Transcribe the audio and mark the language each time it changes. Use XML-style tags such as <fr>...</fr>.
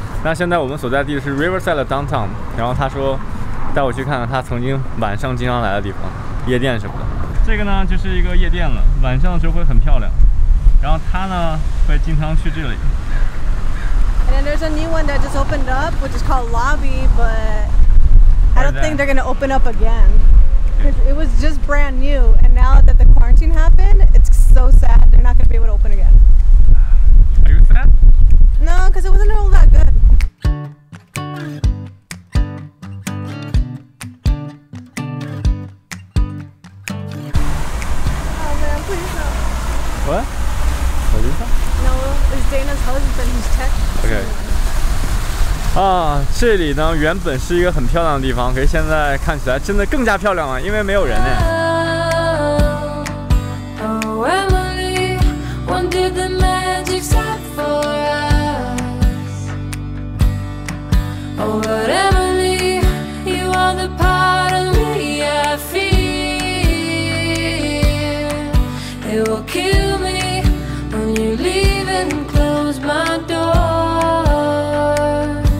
<zh>那现在我们所在地是 Riverside Downtown， 然后他说带我去看看他曾经晚上经常来的地方，夜店什么的。这个呢就是一个夜店了，晚上的时候会很漂亮。然后他呢会经常去这里。</zh> <en>And then there's a new one that just opened up, which is called Lobby, but I don't think they're going to open up again because it was just brand new. And now that the quarantine happened, it's so sad. They're not going to be able to open again. Are you sad? No, because it wasn't all that good. Oh man, please no. What? What is that? No, it's Dana's husband who's tech. Okay.</en> <zh>这里呢原本是一个很漂亮的地方，可是现在看起来真的更加漂亮了，因为没有人呢。</zh> <en>Oh, Emily, when did the magic stop for us? Oh, but Emily, you are the part of me I fear. It will kill me when you leave and close my door.</en>